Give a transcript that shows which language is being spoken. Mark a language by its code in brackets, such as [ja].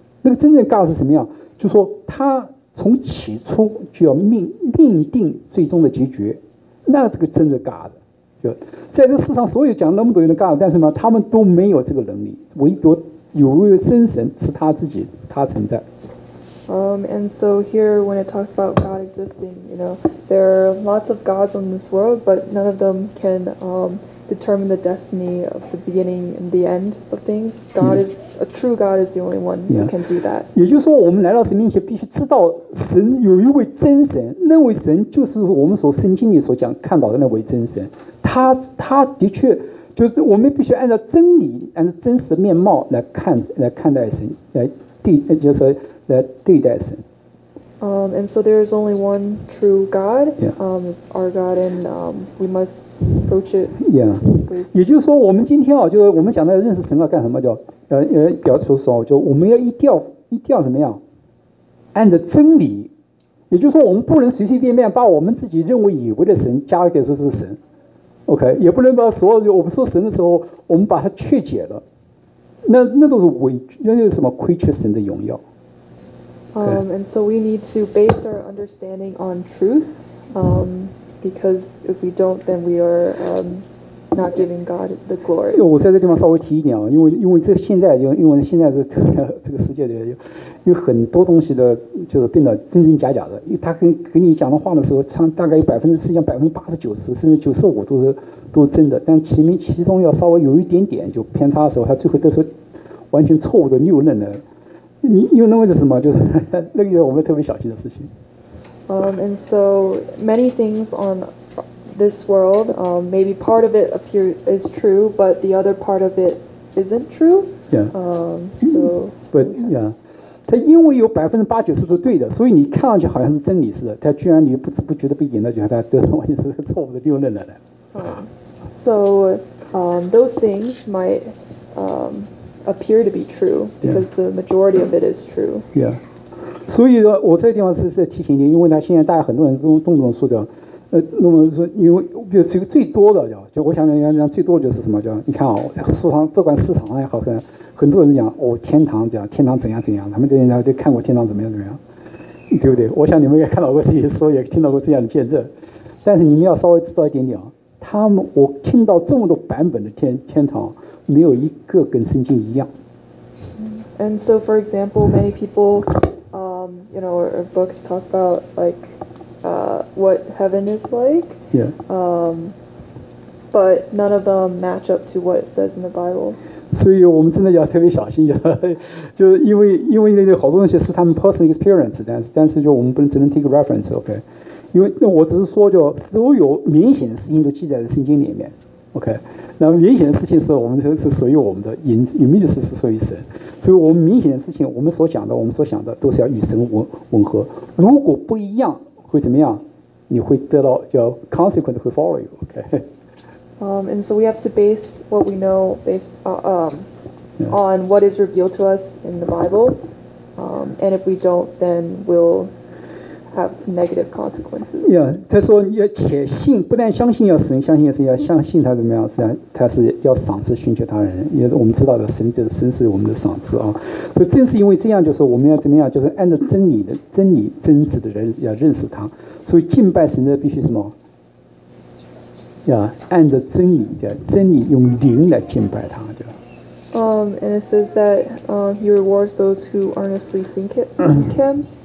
[zh] 那个真正的 God 是什么样，就是说他从起初就要 命定最终的结局，那这个真的 God 就在这世上所有讲那么多人的 God， 但是呢他们都没有这个能力，唯独有一位真神是他自己，他存在。 [en] And so here when it talks about God existing, you know, there are lots of gods in this world, but none of them can determine the destiny of the beginning and the end of things. God is a true God is the only one who can do that. [zh] 也就是说，我们来到神面前，必须知道神有一位真神，那位神就是我们所圣经里所讲看到的那位真神。他的确就是我们必须按照真理，按照真实的面貌来看待神，来对待神。 [en] And so there is only one true God,、 yeah. Our God, and we must approach it. Yeah. [zh] 也就是说，我们今天啊，就是我们讲的认识神要干什么？表述说，就我们要一定要怎么样？按照真理也就是说我们不能随随便便把我们自己认为以为的神加给说是神 OK， 也不能把所有我们说神的时候我们把它曲解了，那都是伪，那就是什么亏缺神的荣耀。 [en] And so we need to base our understanding on truth, because if we don't, then we are not giving God the glory. [zh] 我在这地方稍微提一点啊，因为这现在就因为现在这个世界里有很多东西的，就是变得真真假假的。因为他跟你讲的话的时候，大概有80%-90%，甚至95%都是真的，但其中要稍微有一点点就偏差的时候，他最后都是完全错误的谬论的。你有那个是什么？就是那个是我们特别小心的事情。 [en] And so many things on this world, maybe part of it appear is true, but the other part of it isn't true. Yeah. So. But yeah, [zh] 它因为有80%-90%是对的，所以你看上去好像是真理似的，它居然你不知不觉的被引了，觉得它得完全是个错误的谬论来的。 [en] So, those things might, appear to be true because the majority of it is true. Yeah. [zh] 所以说我这个地方是在提醒你，因为呢现在大家很多人都动不动说的，那么说因为就是最多的就我想讲最多就是什么，就你看啊、哦、书上不管市场也好，很多人讲哦天堂，讲天堂怎样怎样，他们这些人都看过天堂怎么样，对不对？我想你们也看到过这些书，也听到过这样的见证，但是你们要稍微知道一点点啊。他们，我听到这么多版本的天堂，没有一个跟圣经一样。 [en] And so, for example, many people, you know, or books talk about like, what heaven is like. Yeah. But none of them match up to what it says in the Bible. [zh] 所以我们真的要特别小心，就因为好多东西是他们 [en] personal experience， [zh] 但是就我们不能只能 [en] take reference， [zh] OK。因为那我只是说就所有明显的事情都记载在圣经里面 OK， 那明显的事情是我们是属于我们的，隐秘的事是属于神，所以我们明显的事情我们所想的都是要与神吻合，如果不一样会怎么样，你会得到叫 consequence 会 [en] follow you [zh] OK。 [en] And so we have to base what we know based, on what is revealed to us in the Bible, and if we don't then we'llhave negative consequences. [zh] Yeah, 他说要且信，不但相信要神，相信神要相信他怎么样？是啊，他是要赏赐寻求他人，也是我们知道的，神就是神是我们的赏赐啊。所以正是因为这样，就是我们要怎么样？就是按照真理真实的人要认识他。所以敬拜神的必须什么？要按照真理，叫真理用灵来敬拜他，就。 [en] And it says that he rewards those who earnestly seek him.